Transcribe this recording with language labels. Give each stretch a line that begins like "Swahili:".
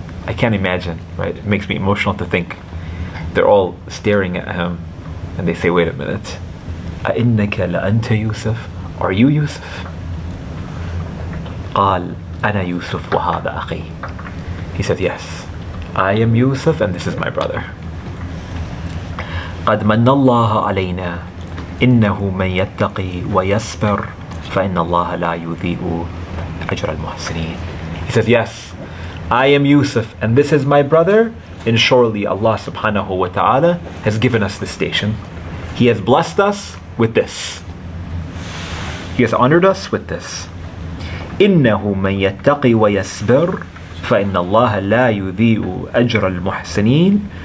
English: I can't imagine, right? It makes me emotional to think. They're all staring at him and they say, wait a minute.
Arabic: أَإِنَّكَ لَأَنْتَ يُوسف.
English: Are you Yusuf?
Arabic: قال أنا يوسف وهذا أخي.
English: He says, yes, I am Yusuf and this is my brother.
Arabic: قد من الله علينا إنه من يتقي ويصبر فإن الله لا يضيع أجر المحسنين.
English: He says, yes, I am Yusuf and this is my brother, and surely Allah subhanahu wa ta'ala has given us this station. He has blessed us with this. He has honored us with this.
Arabic: إِنَّهُ مَنْ يَتَّقِي وَيَسْبِرْ فَإِنَّ اللَّهَ لَا يُذِيءُ أَجْرَ الْمُحْسِنِينَ.